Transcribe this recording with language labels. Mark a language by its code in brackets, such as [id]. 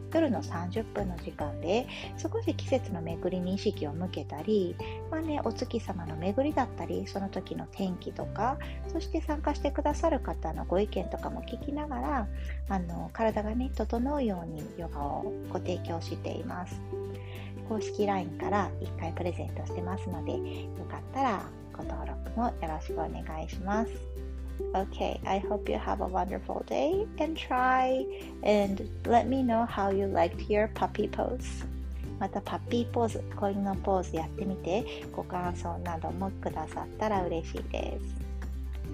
[ja] 夜の30分の時間で、少し季節の巡りに意識を向けたり、お月様の巡りだったり、その時の天気とか、そして参加してくださる方のご意見とかも聞きながら、体がね、整うようにヨガをご提供しています。公式 LINE から1回プレゼントしてますので、よかったらご登録もよろしくお願いします。 [en] Okay, I hope you have a wonderful day and try and let me know how you liked your puppy pose. [ja] またパッピーポーズ、子犬のポーズやってみて、ご感想などもくださったら嬉しいです。